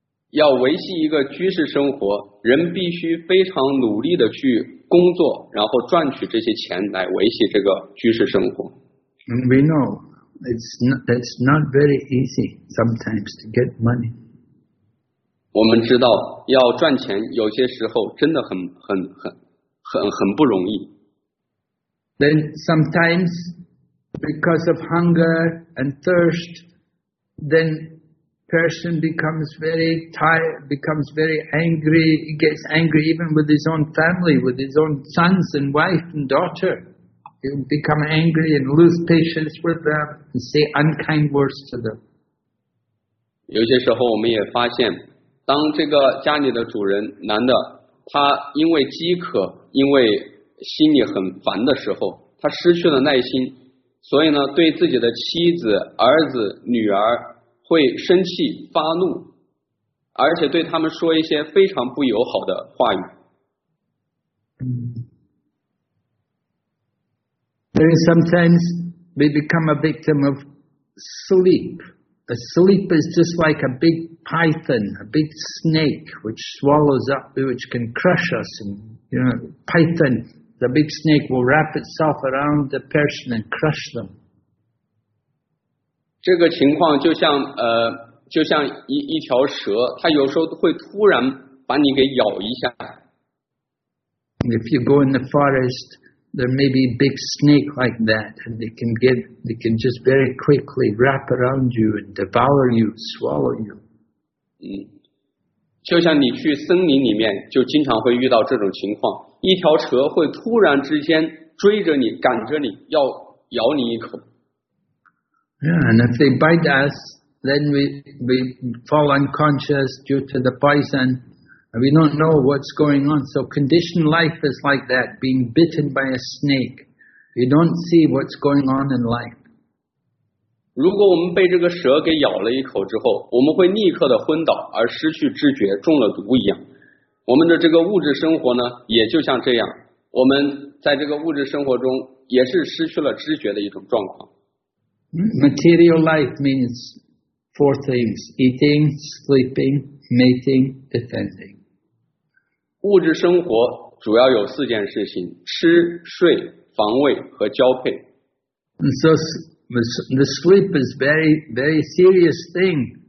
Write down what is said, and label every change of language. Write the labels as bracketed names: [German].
[Chinese] 要维系一个居士生活人必须非常努力的去工作然后赚取这些钱来维系这个居士生活 [English] And we know it's not very easy sometimes to get money [Chinese] 我们知道要赚钱有些时候真的很不容易 [English] Then sometimes because of hunger and thirst thenperson becomes very angry, he gets angry even with his own family, with his own sons and wife and daughter. He will become angry and lose patience with them and say unkind words to them. [Chinese] 有些时候我们也发现当这个家里的主人男的他因为饥渴因为心里很烦的时候他失去了耐心所以呢对自己的妻子儿子女儿会生气发怒而且对他们说一些非常不友好的话语 [English] There is sometimes we become a victim of sleep a sleep is just like a big python a big snake which swallows up which can crush us and, you know, python the big snake will wrap itself around the person and crush them [Chinese] 这个情况就像一条蛇它有时候会突然把你给咬一下。 [English] If you go in the forest, there may be a big snake like that, and they can just very quickly wrap around you and devour you, swallow you. [Chinese] 就像你去森林里面就经常会遇到这种情况一条蛇会突然之间追着你赶着你要咬你一口。 [English] Yeah, and if they bite us, then we fall unconscious due to the poison. And we don't know what's going on. So conditioned life is like that, being bitten by a snake. We don't see what's going on in life. [Chinese] 如果我们被这个蛇给咬了一口之后，我们会立刻的昏倒，而失去知觉，中了毒一样。我们的这个物质生活呢，也就像这样。我们在这个物质生活中，也是失去了知觉的一种状况。 [English] Material life means four things: eating, sleeping, mating, defending. [Chinese] 物质生活主要有四件事情，吃、睡、防卫和交配。 [English] And so the sleep is very, very serious thing.